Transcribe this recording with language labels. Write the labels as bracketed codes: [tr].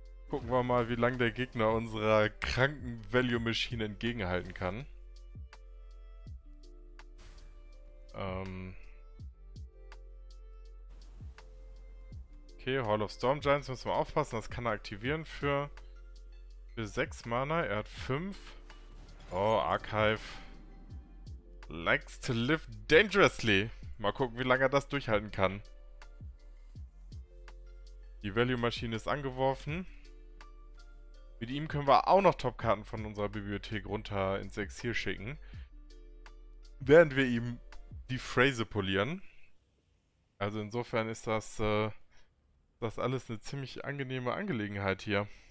[de] Gucken wir mal, wie lange der Gegner unserer kranken Value-Machine entgegenhalten kann. Okay, Hall of Storm Giants müssen wir aufpassen, das kann er aktivieren für 6 Mana, er hat 5. [en] Oh, Archive likes to live dangerously. [de] Mal gucken, wie lange er das durchhalten kann. Die Value Maschine ist angeworfen. Mit ihm können wir auch noch Topkarten von unserer Bibliothek runter ins Exil schicken. Während wir ihm die Phrase polieren. Also insofern ist das das alles eine ziemlich angenehme Angelegenheit hier.